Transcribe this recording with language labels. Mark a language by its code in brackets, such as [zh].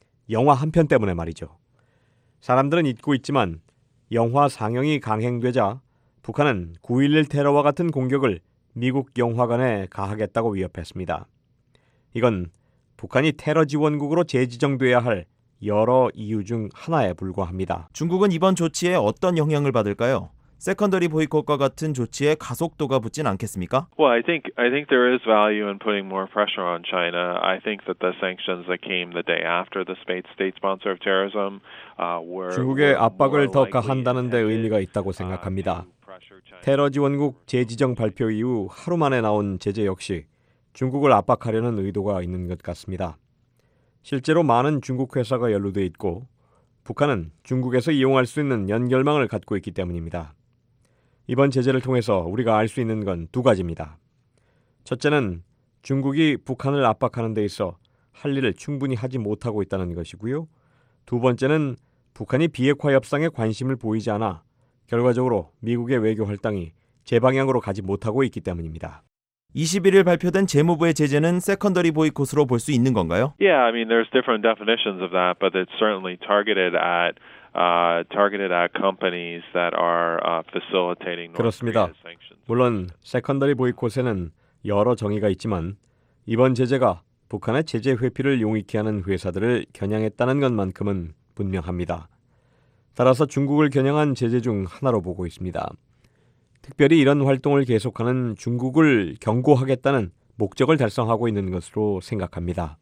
[ko] 영화 한 편 때문에 말이죠. 사람들은 잊고 있지만 영화 상영이 강행되자 북한은 9.11 테러와 같은 공격을 미국 영화관에 가하겠다고 위협했습니다. 이건 북한이 테러 지원국으로 재지정돼야 할 여러 이유 중 하나에 불과합니다. 중국은 이번 조치에 어떤 영향을 받을까요? 세컨더리 보이콧과 같은 조치에 가속도가 붙진 않겠습니까? [en] Well, I think there is value in putting more pressure on China. I think that the sanctions that came the day after the state sponsor of terrorism were [ko] 중국의 압박을 더 가한다는 데 의미가 있다고 생각합니다. 테러 지원국 재지정 발표 이후 하루 만에 나온 제재 역시 중국을 압박하려는 의도가 있는 것 같습니다. 실제로 많은 중국 회사가 연루돼 있고 북한은 중국에서 이용할 수 있는 연결망을 갖고 있기 때문입니다. 이번 제재를 통해서 우리가 알 수 있는 건 두 가지입니다. 첫째는 중국이 북한을 압박하는 데 있어 할 일을 충분히 하지 못하고 있다는 것이고요. 두 번째는 북한이 비핵화 협상에 관심을 보이지 않아 결과적으로 미국의 외교 활동이 제 방향으로 가지 못하고 있기 때문입니다. 21일 발표된 재무부의 제재는 세컨더리 보이콧으로 볼 수 있는 건가요? [en] Yeah, I mean there's different definitions of that, but it's certainly targeted at companies that are facilitating [ko] 그렇습니다. 물론 세컨더리 보이콧에는 여러 정의가 있지만 이번 제재가 북한의 제재 회피를 용이케 하는 회사들을 겨냥했다는 것만큼은 분명합니다. 따라서 중국을 겨냥한 제재 중 하나로 보고 있습니다. 특별히 이런 활동을 계속하는 중국을 경고하겠다는 목적을 달성하고 있는 것으로 생각합니다.